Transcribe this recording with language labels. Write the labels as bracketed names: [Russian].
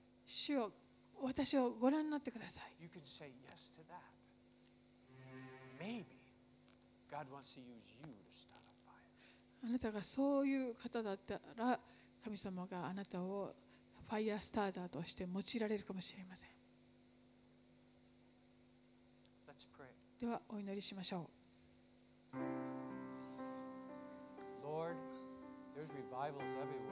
[Japanese] 主よ、私をご覧になってください。 [English] You can say yes to that. Maybe God wants to use you to start a fire. [Japanese] あなたがそういう方だったら、神様があなたをファイアスターターとして用いられるかもしれません。 [English] Let's pray. [Japanese] ではお祈りしましょう。 [English] Lord, there's revivals everywhere.